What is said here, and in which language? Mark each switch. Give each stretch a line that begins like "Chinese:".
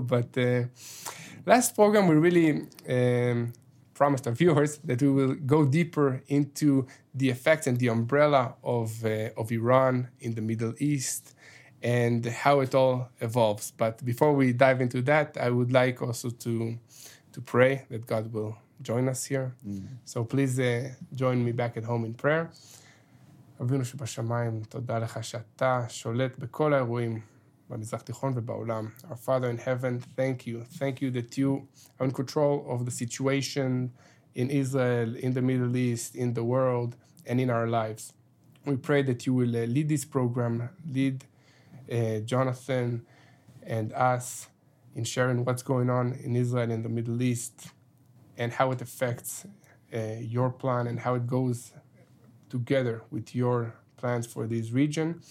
English: But last program, we really promised our viewers that we will go deeper into the effects and the umbrella of Iran in the Middle East and how it all evolves. But before we dive into that, I would like also to pray that God will join us here. So please join me back at home in prayer.
Hebrew: אבינו שבשמיים, תודה לך שאתה שולט בכל האירועים במזרח תיכון ובעולם.
English: Our Father in heaven, thank you. Thank you that you are in control of the situation in Israel, in the Middle East, in the world, and in our lives. We pray that you will lead this program, lead Jonathan and us in sharing what's going on in Israel and the Middle East and how it affects your plan and how it goes together with your plans for this region.